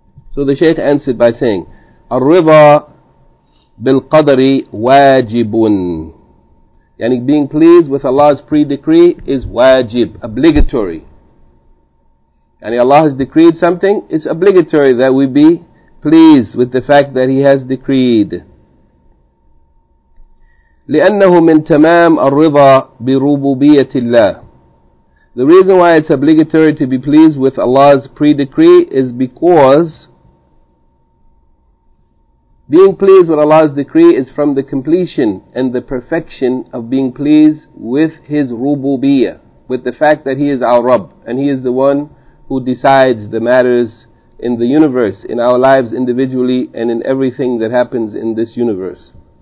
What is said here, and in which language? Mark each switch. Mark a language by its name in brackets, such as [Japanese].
[English] So the Shaykh answered by saying, [Arabic] "Al-Ridha bil-Qadri wajibun." [English] Yani being pleased with Allah's pre-decree is wajib, obligatory. Yani Allah has decreed something, it's obligatory that we be pleased with the fact that He has decreed. [Arabic] لأنه من تمام الرضا بربوبية الله. [English] The reason why it's obligatory to be pleased with Allah's pre-decree is because being pleased with Allah's decree is from the completion and the perfection of being pleased with His rububiyyah, with the fact that He is our Rabb, and He is the one who decides the matters in the universe, in our lives individually, and in everything that happens in this universe.